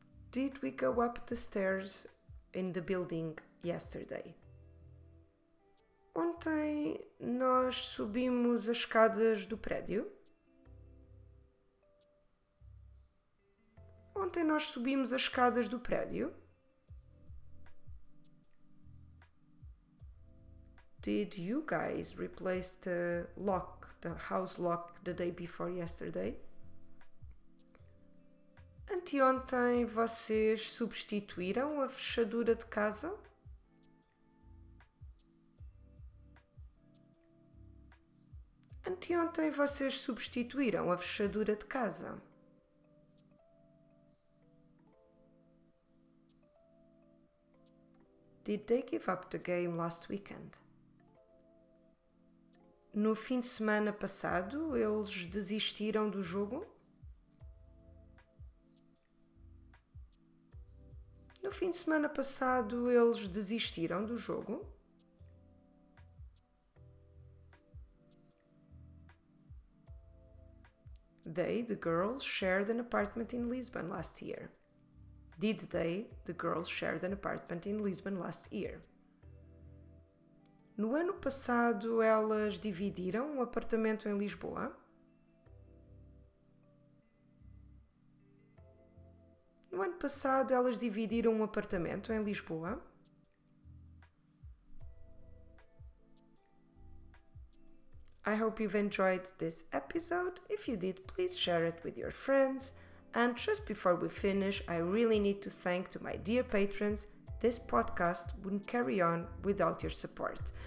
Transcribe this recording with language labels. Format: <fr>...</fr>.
<en>Did we go up the stairs in the building yesterday?</en> <pt>Ontem nós subimos as escadas do prédio. Ontem nós subimos as escadas do prédio.</pt> <en>Did you guys replace the lock, the house lock, the day before yesterday?</en> <pt>Anteontem vocês substituíram a fechadura de casa? Anteontem vocês substituíram a fechadura de casa?</pt> <en>Did they give up the game last weekend?</en> <pt>No fim de semana passado, eles desistiram do jogo? No fim de semana passado, eles desistiram do jogo?</pt> <en>They, the girls, shared an apartment in Lisbon last year. Did they, the girls, shared an apartment in Lisbon last year?</en> <pt>No ano passado, elas dividiram um apartamento em Lisboa? No ano passado, elas dividiram um apartamento em Lisboa?</pt> <en>I hope you've enjoyed this episode. If you did, please share it with your friends. And just before we finish, I really need to thank to my dear patrons. This podcast wouldn't carry on without your support.</en>